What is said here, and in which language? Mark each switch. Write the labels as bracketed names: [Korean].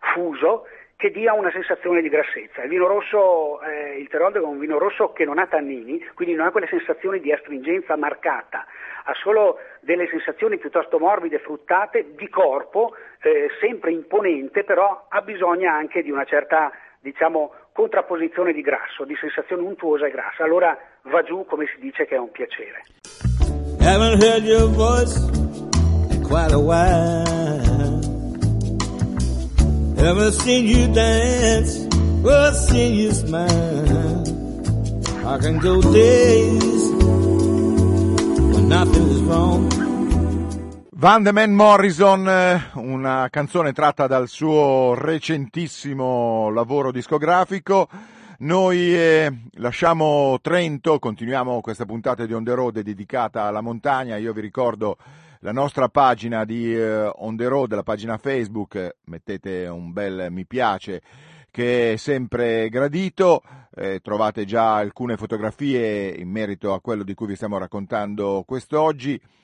[Italian] Fuso, che dia una sensazione di grassezza. Il vino rosso, il Terol è un vino rosso che non ha tannini, quindi non ha quelle sensazioni di astringenza marcata, ha solo delle sensazioni piuttosto morbide, fruttate, di corpo, sempre imponente, però ha bisogno anche di una certa, diciamo, contrapposizione di grasso, di sensazione untuosa e grassa. Allora va giù, come si dice, che è un piacere. [English] Haven't heard your voice in quite a while. Ever seen you dance, well, I've seen you smile. I can go days when nothing is wrong. [Italian] Van de Man Morrison, una canzone tratta dal suo recentissimo lavoro discografico. Noi lasciamo Trento, continuiamo questa puntata di On The Road dedicata alla montagna. Io vi ricordo la nostra pagina di On The Road, la pagina Facebook, mettete un bel mi piace che è sempre gradito, trovate già alcune fotografie in merito a quello di cui vi stiamo raccontando quest'oggi.